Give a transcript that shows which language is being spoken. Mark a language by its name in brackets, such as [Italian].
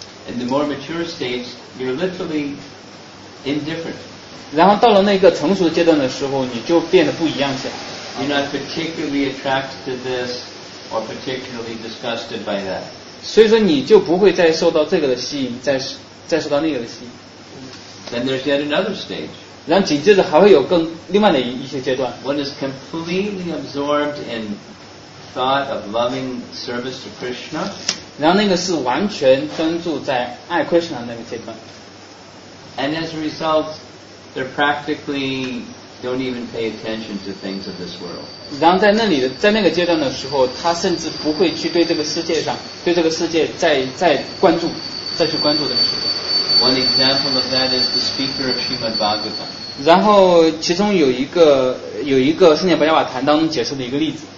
[English] In the more mature stage, you're literally indifferent. [Chinese] 然后到了那个成熟的阶段的时候，你就变得不一样起来。 [English] You're not particularly attracted to this or particularly disgusted by that. [Chinese] 所以说你就不会再受到这个的吸引，再受到那个的吸引。 [English] Then there's yet another stage. [Chinese] 然后紧接着还会有更另外的一些阶段。 [English] One is completely absorbed in thought of loving service to Krishna. [Chinese] 然后那个是完全专注在爱 Krishna 那个阶段。 [English] And as a result, they're practically don't even pay attention to things of this world. [Chinese] 然后在那个阶段的时候，他甚至不会去对这个世界上。对这个世界再去关注这个世界。 [English] One example of that is the speaker of Srimad Bhagavatam. [Chinese] 然后其中有一个圣贤博伽瓦坛当中解释的一个例子。